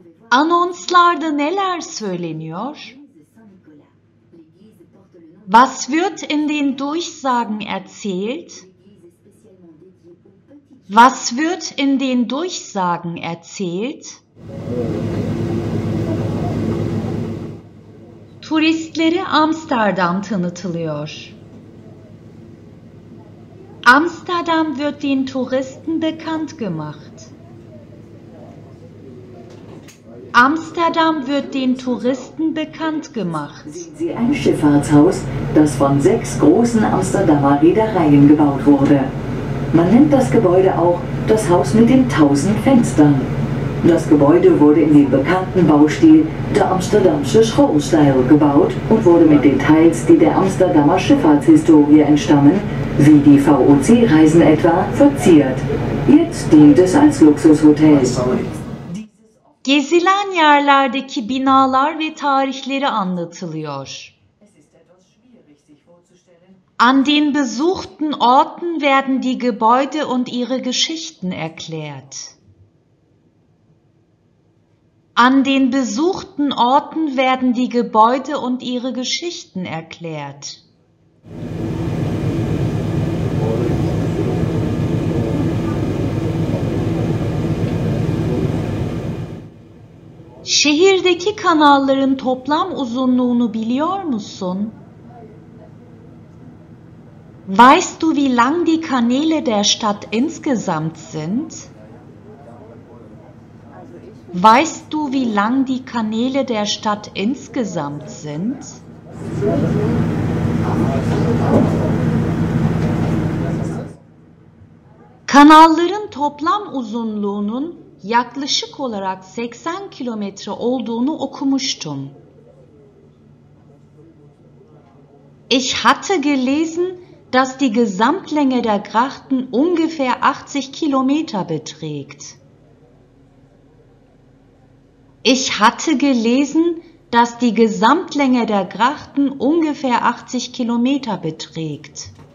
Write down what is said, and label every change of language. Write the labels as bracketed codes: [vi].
[tr] Anonslarda neler söyleniyor? [de] Was wird in den Durchsagen erzählt? Was wird in den Durchsagen erzählt? [tr] Turistleri Amsterdam tanıtılıyor. [de] Amsterdam wird den Touristen bekannt gemacht. Amsterdam wird den Touristen bekannt gemacht. Sehen Sie ein Schifffahrtshaus, das von 6 großen Amsterdamer Reedereien gebaut wurde. Man nennt das Gebäude auch das Haus mit den 1000 Fenstern. Das Gebäude wurde in dem bekannten Baustil der Amsterdamsche Schouwstijl gebaut und wurde mit Details, die der Amsterdamer Schifffahrtshistorie entstammen, wie die VOC-Reisen etwa, verziert. Jetzt dient es als Luxushotel. [tr] Gezilen yerlerdeki binalar ve tarihleri anlatılıyor. [de] An den besuchten Orten werden die Gebäude und ihre Geschichten erklärt. An den besuchten Orten werden die Gebäude und ihre Geschichten erklärt. [tr] Şehirdeki kanalların toplam uzunluğunu biliyor musun? [de] Weißt du, wie lang die Kanäle der Stadt insgesamt sind? Weißt du, wie lang die Kanäle der Stadt insgesamt sind? [tr] Kanalların toplam uzunluğunun yaklaşık olarak 80 kilometre olduğunu okumuştum. [de] Ich hatte gelesen, dass die Gesamtlänge der Grachten ungefähr 80 Kilometer beträgt. Ich hatte gelesen, dass die Gesamtlänge der Grachten ungefähr 80 Kilometer beträgt.